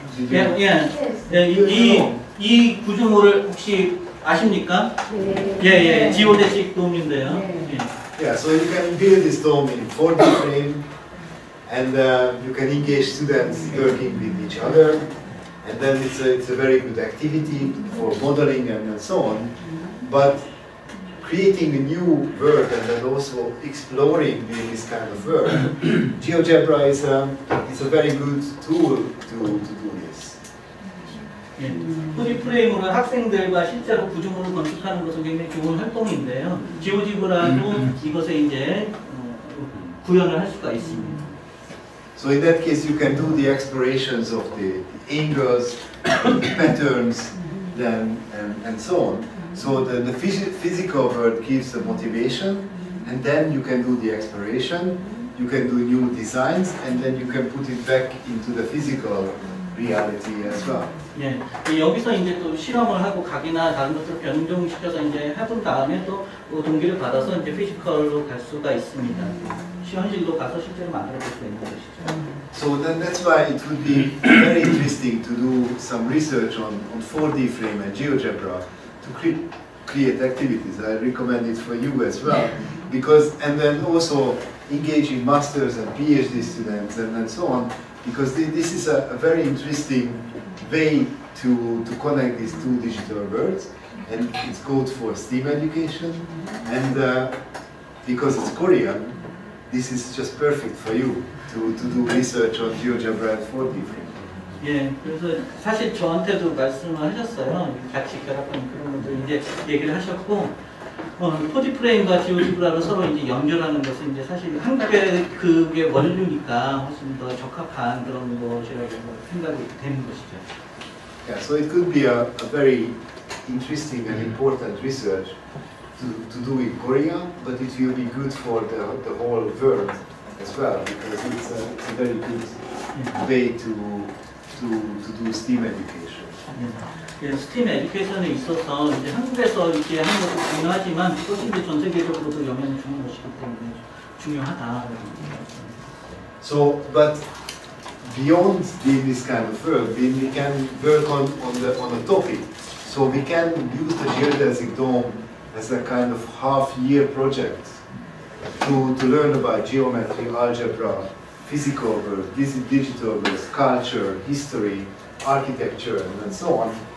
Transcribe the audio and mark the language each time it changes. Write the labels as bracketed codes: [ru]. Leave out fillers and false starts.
[en] Yeah. Yes. [ko] 이 구조물을 혹시 아십니까? 예. 예, 예. 지오제식 돔인데요. 예. [en] Yeah, so you can build this dome in 4D frame, and you can engage students working with each other, and then it's a very good activity for modeling and so on. But creating a new world and then also exploring this kind of world. GeoGebra is a very good tool to do this. [ko] 2D 프레임으로 학생들과 실제로 구조물을 건축하는 것은 굉장히 좋은 활동인데요. 지오지브라도 이것에 이제 구현을 할 수가 있습니다. [en] So in that case, you can do the explorations of the angles, the patterns, then and so on. So the physical world gives the motivation, and then you can do the exploration, you can do new designs, and then you can put it back into the physical reality as well. [ko] 예, 여기서 이제 또 실험을 하고 각이나 다른 것들을 변종시켜서 이제 해본 다음에 또 동기를 받아서 이제 피지컬로 갈 수가 있습니다. 현실로 가서 실제로 만들어볼 수 있는 것이죠. [en] So then that's why it would be very interesting to do some research on 4D frame and GeoGebra to create activities. I recommend it for you as well. Because, and then also engaging masters and PhD students and so on, because this is a very interesting way to connect these two digital worlds, and it's good for STEAM education, and because it's Korean, this is just perfect for you to do research on GeoGebra and 4D frame. [ko] 예, 그래서 사실 저한테도 말씀을 하셨어요. 같이 결합한 그런 분들 이제 얘기를 하셨고, 포지 프레임과 지오지브라를 서로 이제 연결하는 것은 이제 사실 한국의 그게 원류니까 훨씬 더 적합한 그런 것이라고 생각이 되는 것이죠. [en] Yeah, so it could be a very interesting and important research to do in Korea, but it will be good for the whole world as well because it's a very good way to do STEAM education. Yeah. [ko] 예, STEAM education에 있어서 이제 한국에서 이렇게 하는 것도 중요하지만 훨씬 더 전 세계적으로도 영향을 주는 것이기 때문에 중요하다. [en] So, but beyond this kind of work, we can work on the topic. So we can use the geodesic dome as a kind of half-year project to learn about geometry, algebra, physical world, digital world, culture, history, architecture, and so on.